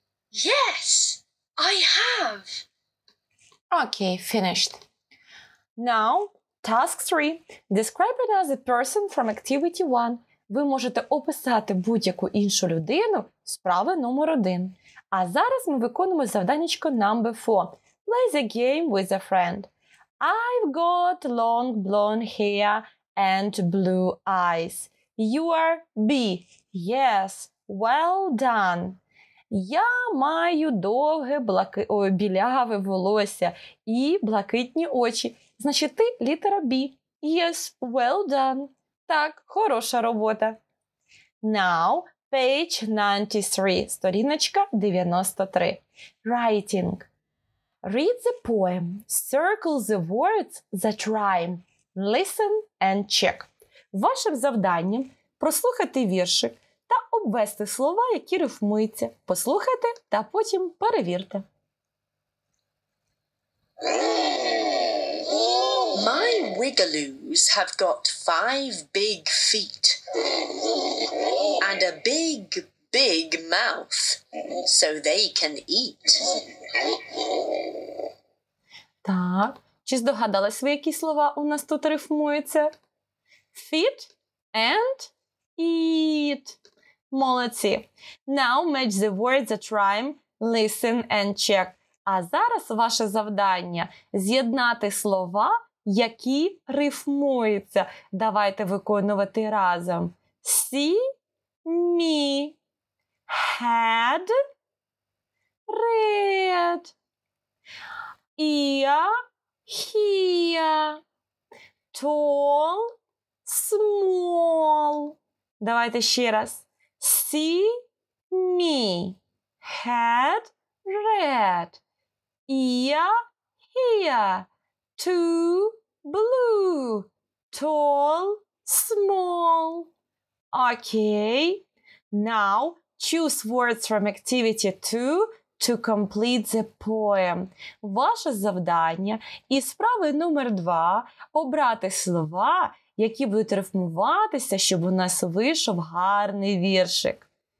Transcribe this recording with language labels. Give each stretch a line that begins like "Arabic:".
English: Yes, I have. Okay, finished. Now, task 3. Describe another person from activity 1.
Ukrainian: Ви можете описати будь-яку іншу людину з права номер 1. А зараз ми виконуємо завданечко
English: number 4. Play the game with a friend. I've got long blonde hair and blue eyes. You are B. Yes. Well done.
Ukrainian: Я маю довге біляве волосся і блакитні очі. Значить, ти літера B.
English: Yes. Well done.
Ukrainian: Так, хороша робота.
English: Now, page 93,
Ukrainian: сторіночка 93.
English: Writing. Read the poem. Circle the words that rhyme. Listen and check.
Ukrainian: Вашим завданням прослухати вірші та обвести слова, які рифмуються. Послухайте та потім перевірте.
English: My wiggaloos have got 5 big feet and a big, big mouth, so they can eat.
Ukrainian: Так, чи здогадались ви, які слова у нас тут рифмуються?
English: Feet and eat.
Ukrainian: Молодці.
English: Now match the words that rhyme, listen and check.
Ukrainian: А зараз ваше завдання – з'єднати слова, які рифмуються. Давайте виконувати разом.
English: See, me, had, read, ear, hear, tall, small.
Ukrainian: Давайте ще раз.
English: See me. Head red. Ear here. Two blue. Tall, small. Okay. Now choose words from activity 2 to complete the poem.
Ukrainian: Ваше завдання і справи номер 2 – обрати слова, які будуть рифмуватися, щоб у нас вийшов гарний віршик.